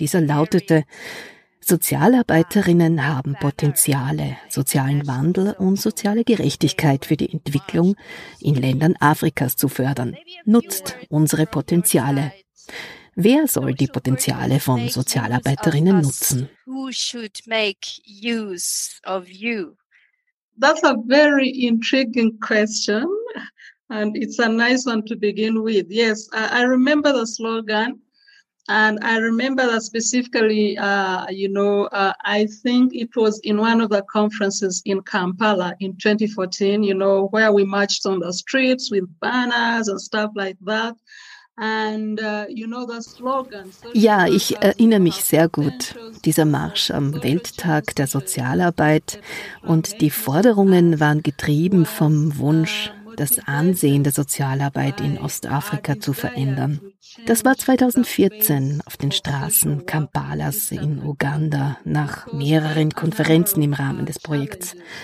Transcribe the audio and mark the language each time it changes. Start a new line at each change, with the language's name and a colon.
German: Dieser lautete: Sozialarbeiterinnen haben Potenziale, sozialen Wandel und soziale Gerechtigkeit für die Entwicklung in Ländern Afrikas zu fördern. Nutzt unsere Potenziale. Wer soll die Potenziale von Sozialarbeiterinnen nutzen?
English: Who should make use of you? That's a very intriguing question and it's a nice one to begin with. Yes, I remember the slogan. And I remember that specifically, I think it was in one of the conferences in Kampala in 2014, you know, where we marched on the streets with banners and stuff like that. And, the slogan.
German: Ja, ich erinnere mich sehr gut. Dieser Marsch am Welttag der Sozialarbeit und die Forderungen waren getrieben vom Wunsch, das Ansehen der Sozialarbeit in Ostafrika zu verändern. Das war 2014 auf den Straßen Kampalas in Uganda nach mehreren Konferenzen im Rahmen des Projekts.